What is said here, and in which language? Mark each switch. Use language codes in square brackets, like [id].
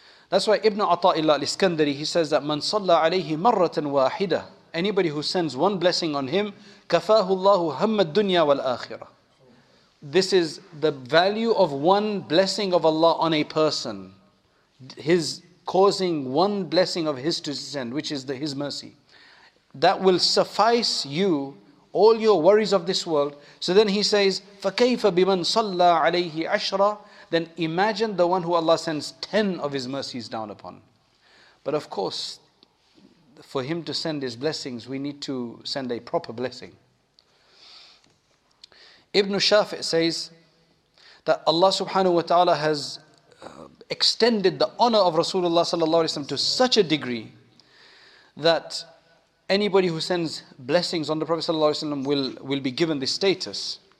[en] That's why Ibn Ata'illah al-Iskandari, he says that [ar] man salla alayhi marratan wahida, [en] anybody who sends one blessing on him, [ar] kafahu Allahu hamma ad-dunya wal akhirah. [en] This is the value of one blessing of Allah on a person. His causing one blessing of his to send, which is his mercy. That will suffice you all your worries of this world. So then he says, [ar] فَكَيْفَ بِمَنْ صَلَّى عَلَيْهِ عَشْرًا. [en] Then imagine the one who Allah sends 10 of his mercies down upon. But of course, for him to send his blessings, we need to send a proper blessing. Ibn Shafi' says that Allah subhanahu wa ta'ala has extended the honor of Rasulullah sallallahu alayhi wa sallam to such a degree that anybody who sends blessings on the Prophet sallallahu alayhi wa sallam will be given this status.